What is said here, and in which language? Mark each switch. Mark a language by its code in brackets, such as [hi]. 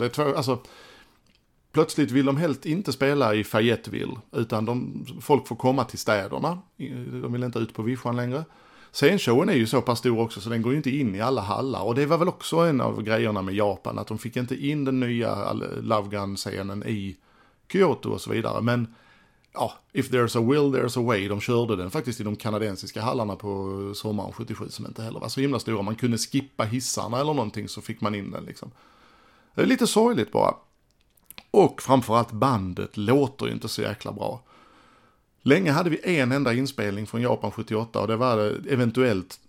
[sv] Det är alltså, plötsligt vill de helt inte spela i Fayetteville, utan folk får komma till städerna. De vill inte ut på vischan längre. Sen showen är ju så pass stor också, så den går ju inte in i alla hallar. Och det var väl också en av grejerna med Japan, att de fick inte in den nya Love Gun-scenen i Kyoto och så vidare. Men ja, [en] if there's a will, there's a way. [sv] De körde den faktiskt i de kanadensiska hallarna på sommaren 77, som inte heller var så himla stora. Man kunde skippa hissarna eller någonting, så fick man in den liksom. Det är lite sorgligt bara. Och framförallt, bandet låter ju inte så jäkla bra. Länge hade vi en enda inspelning från Japan 78 och det var det eventuellt.